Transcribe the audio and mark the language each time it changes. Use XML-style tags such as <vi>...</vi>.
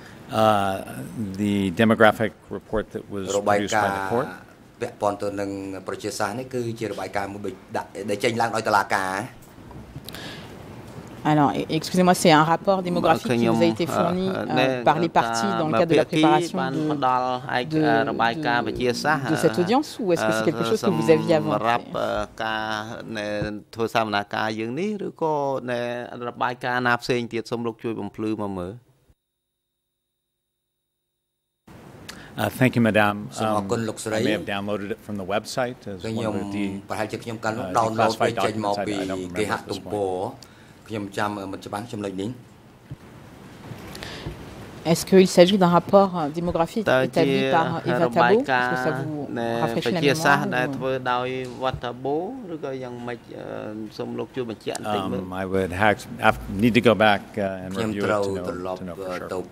<en>The demographic report that was produced by the court.</en> <fr>Alors, excusez-moi, c'est un rapport démographique qui vous a été fourni par les parties dans le cadre de la préparation de cette audience, ou est-ce que c'est quelque chose que vous aviez avant fait?</fr> <en>Thank you, madame. I may have downloaded it from the website as one of the classified documents. I don't remember at this point.</en> <fr>Est-ce qu'il s'agit d'un rapport démographique établi par Eva Thabo? Est-ce que ça vous rafraîchit la mémoire?</fr> <en>I would have need to go back and review it to know for sure.</en>